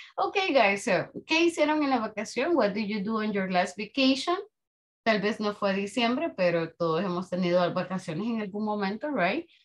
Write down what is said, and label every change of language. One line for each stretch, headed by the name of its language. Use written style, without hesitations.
Spanish: Okay, guys, so ¿qué hicieron en la vacación?
English: What did you do on your last vacation?
Spanish: Tal vez no fue diciembre, pero todos hemos tenido vacaciones en algún momento, right?